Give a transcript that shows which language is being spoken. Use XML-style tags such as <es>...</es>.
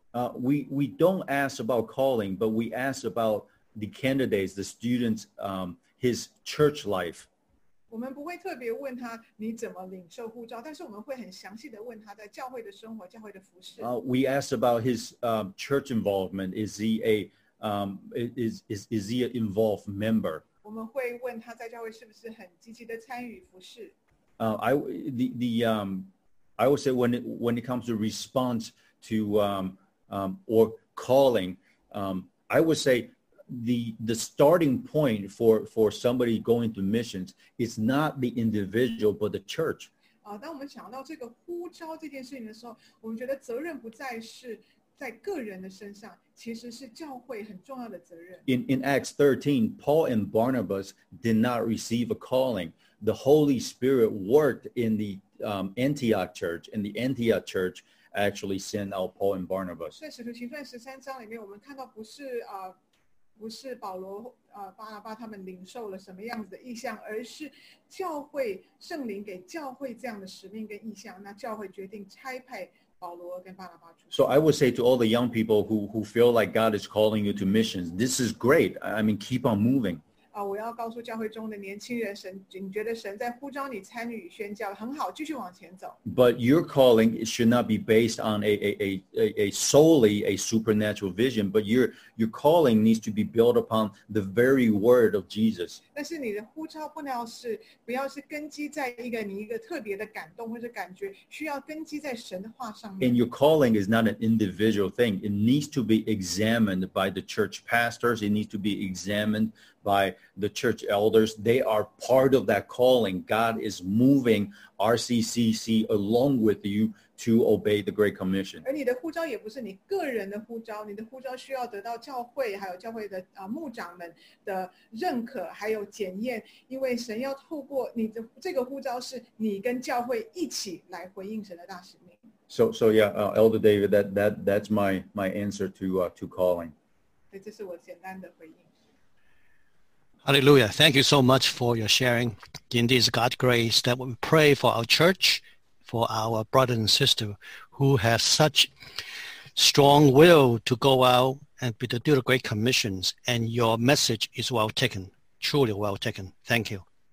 <en>We don't ask about calling, but we ask about the candidates, the students, his church life.</en> <zh>我们不会特别问他你怎么领受护照，但是我们会很详细的问他在教会的生活、教会的服侍。</zh> <en>We ask about his church involvement. Is he an involved member?</en> <zh>我们会问他在教会是不是很积极的参与服侍。</zh> <en>I would say when it comes to response to or calling, I would say the starting point for somebody going to missions is not the individual, but the church.</en> <zh>当我们讲到这个呼召这件事情的时候，我们觉得责任不再是在个人的身上，其实是教会很重要的责任。</zh> <en>In Acts 13, Paul and Barnabas did not receive a calling. The Holy Spirit worked in the Antioch church, and the Antioch church actually sent out Paul and Barnabas.</en> <zh>在使徒行传十三章里面，我们看到不是保罗巴拿巴他们领受了什么样子的意象，而是教会圣灵给教会这样的使命跟意象，那教会决定差派保罗跟巴拿巴出去。</zh> <en>So I would say to all the young people who feel like God is calling you to missions, this is great. I mean, keep on moving.</en> <zh>我要告诉教会中的年轻人，神，你觉得神在呼召你参与宣教，很好，继续往前走。</zh> <en>But your calling should not be based on a solely a supernatural vision, but your calling needs to be built upon the very word of Jesus.</en> <zh>但是你的呼召不要是根基在一个特别的感动或者感觉，需要根基在神的话上面。</zh> <en>And your calling is not an individual thing. It needs to be examined by the church pastors. It needs to be examined by the church elders. They are part of that calling. God is moving RCCC along with you to obey the Great Commission.</en> <zh>而你的呼召也不是你个人的呼召，你的呼召需要得到教会还有教会的牧长们的认可还有检验，因为神要透过你的这个呼召是你跟教会一起来回应神的大使命。</zh> <en>So yeah, Elder David, that's my answer to calling.</en> <zh>对，这是我简单的回应。</zh> <en>Hallelujah. Thank you so much for your sharing. Indeed, it's God's grace that we pray for our church, for our brother and sister who have such strong will to go out and to do the great commissions. And your message is well taken, truly well taken. Thank you.</en>